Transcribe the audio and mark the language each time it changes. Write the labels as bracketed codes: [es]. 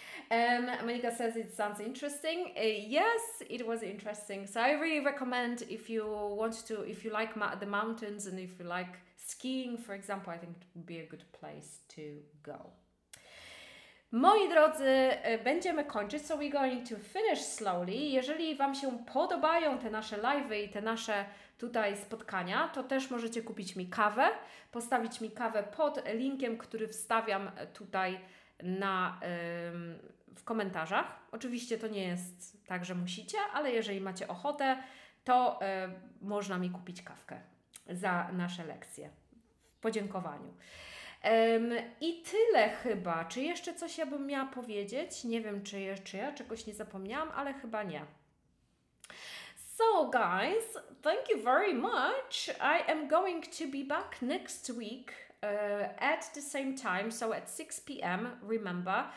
[en] Monika says it sounds interesting. Yes, it was interesting. So I really recommend if you like the mountains and if you like skiing, for example, I think it would be a good place to go. [pl] Moi drodzy, będziemy kończyć, [en] so we're going to finish slowly. [pl] Jeżeli Wam się podobają te nasze live'y i te nasze tutaj spotkania, to też możecie kupić mi kawę, postawić mi kawę pod linkiem, który wstawiam tutaj na, w komentarzach. Oczywiście to nie jest tak, że musicie, ale jeżeli macie ochotę, to można mi kupić kawkę za nasze lekcje w podziękowaniu. I tyle chyba. Czy jeszcze coś ja bym miała powiedzieć? Nie wiem, czy ja czegoś nie zapomniałam, ale chyba nie. [en] So guys, thank you very much. I am going to be back next week at the same time, so at 6 p.m., remember.